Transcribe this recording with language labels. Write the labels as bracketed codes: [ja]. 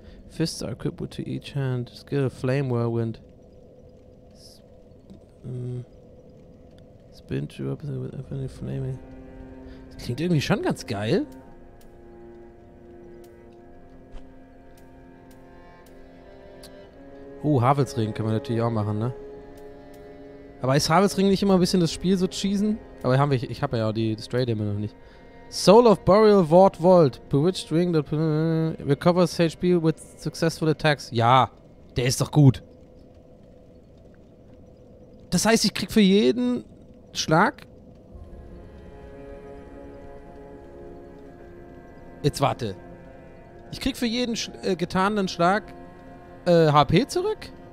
[en] Fists are equipped to each hand. Skill Flame Whirlwind. Spin to opposite with infinite flaming. [de] Das klingt irgendwie schon ganz geil. Havelsring können wir natürlich auch machen, ne? Aber ist Havelsring nicht immer ein bisschen das Spiel so cheesen? Aber haben wir, ich habe ja auch die Stray Demon noch nicht. [en] Soul of Burial Ward Vault. Bewitched Ring. Recovers HP with successful attacks. [de] Ja, der ist doch gut. Das heißt, ich krieg für jeden Schlag. Jetzt warte. Ich krieg für jeden getanen Schlag. HP zurück?